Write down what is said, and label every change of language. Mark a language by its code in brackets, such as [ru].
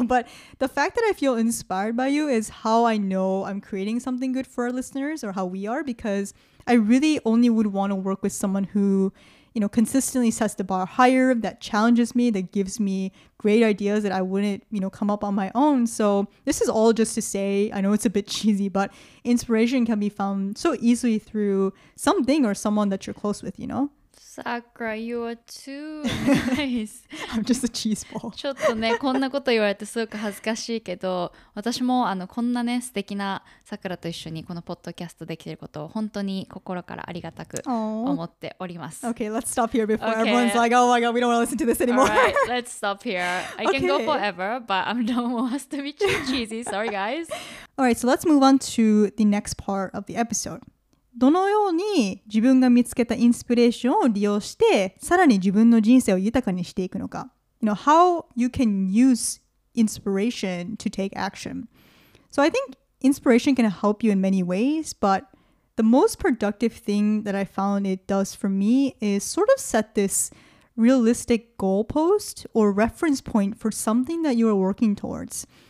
[en] but the fact that I feel inspired by you is how I know I'm creating something good for our listeners, or how we are, because I really only would want to work with someone who, you know, consistently sets the bar higher, that challenges me, that gives me great ideas that I wouldn't, you know, come up on my own. So this is all just to say, I know it's a bit cheesy, but inspiration can be found so easily through something or someone that you're close with, you know. Sakura, you are too nice. I'm just a cheese ball. [ja] ちょっとね、こんなこと言われてすごく恥ずかしいけど、私もあのこんなね、素敵なさくらと一緒にこのポッドキャストできていることを本当に心からありがたく思っております。 [en] Okay, let's stop here before everyone's like, oh my god, we don't want to listen to this anymore. All right, let's stop here. I can go forever, but I'm done with to be too cheesy. Sorry, guys. All right, so let's move on to the next part of the episode. [ja] どのように自分が見つけたインスピレーションを利用してさらに自分の人生を豊かにしていくのか。 [en] You know, how you can use inspiration to take action. So I think inspiration can help you in many ways, but the most productive thing that I found it does for me is sort of set this realistic goalpost or reference point for something that you are working towards.